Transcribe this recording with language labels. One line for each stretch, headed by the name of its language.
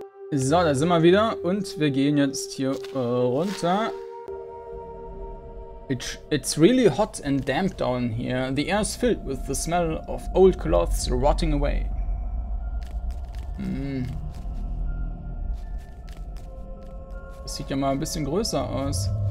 German: So, da sind wir wieder und wir gehen jetzt hier runter.
English: It's really hot and damp down here. The air is filled with the smell of old cloths rotting away. Hm.
German: Das sieht ja mal ein bisschen größer aus.